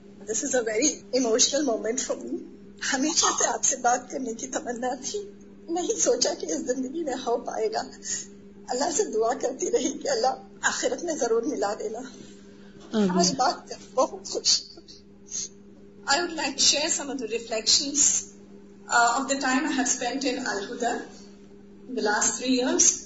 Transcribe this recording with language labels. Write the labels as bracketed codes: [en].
[en] This is a very emotional moment for me. [ur] ہمیشہ سے آپ سے بات کرنے کی تمنا تھی, نہیں سوچا کہ اس زندگی میں ہو پائے گا. اللہ سے دعا کرتی رہی کہ اللہ آخرت میں ضرور ملا دینا. آج بات کر بہت خوش. [en] I would like to share some of the reflections of the time I have spent in Al-Huda in the last 3 years.